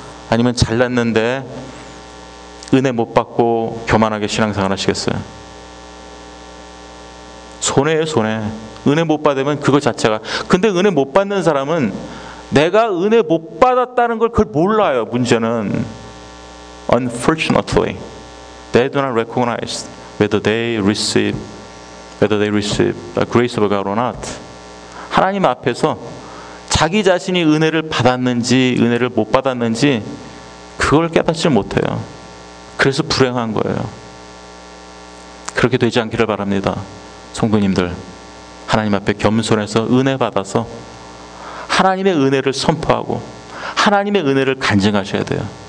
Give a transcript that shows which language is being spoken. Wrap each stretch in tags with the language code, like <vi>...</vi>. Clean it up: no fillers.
<ko>아니면 잘났는데 은혜 못 받고 교만하게 신앙생활 하시겠어요? 손해예요, 손해. 은혜 못 받으면 그거 자체가. 근데 은혜 못 받는 사람은 내가 은혜 못 받았다는 걸 그걸 몰라요. 문제는</ko> <en>unfortunately they do not recognize whether they receive a grace of God or not.</en> <ko>하나님 앞에서 자기 자신이 은혜를 받았는지 은혜를 못 받았는지 그걸 깨닫지 못해요. 그래서 불행한 거예요. 그렇게 되지 않기를 바랍니다. 성도님들, 하나님 앞에 겸손해서 은혜 받아서 하나님의 은혜를 선포하고 하나님의 은혜를 간증하셔야 돼요.</ko>